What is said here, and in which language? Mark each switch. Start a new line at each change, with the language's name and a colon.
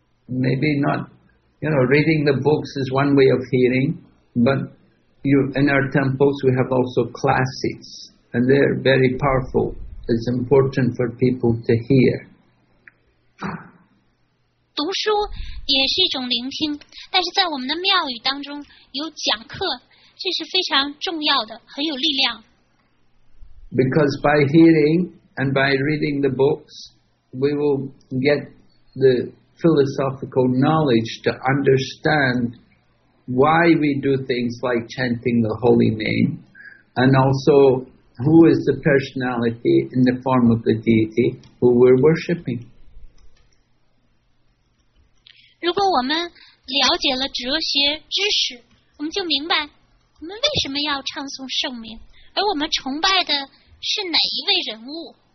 English: Maybe not, you know, reading the books is one way of hearing, but you in our temples we have also classics, and they're very powerful. It's important for people to hear.
Chinese: 读书也是一种聆听，但是在我们的庙宇当中有讲课，这是非常重要的，很有力量。
English: Because by hearing and by reading the books, we will get the philosophical knowledge to understand why we do things like chanting the holy name, and also who is the personality in the form of the deity who we're worshipping.
Chinese: 如果我们了解了哲学知识，我们就明白我们为什么要唱诵圣名，而我们崇拜的是哪一位人物。